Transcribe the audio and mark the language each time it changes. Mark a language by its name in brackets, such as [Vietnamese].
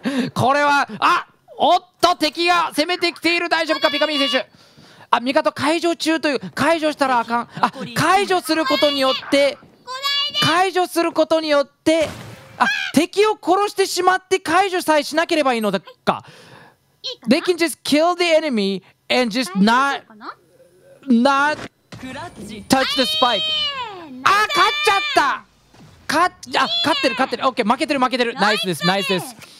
[Japanese] これはあおっと敵が攻めてきている大丈夫かピカミー選手。あ、味方解除中という、解除したらあかん。あ、解除することによって、解除することによって、あ、敵を殺してしまって解除さえしなければいいのだか。 [English] They can just kill the enemy and just not touch the spike. [Japanese] あ、勝っちゃった勝っ、あ、勝ってる勝ってる。OK、負けてる負けてる。ナイスです、ナイスです。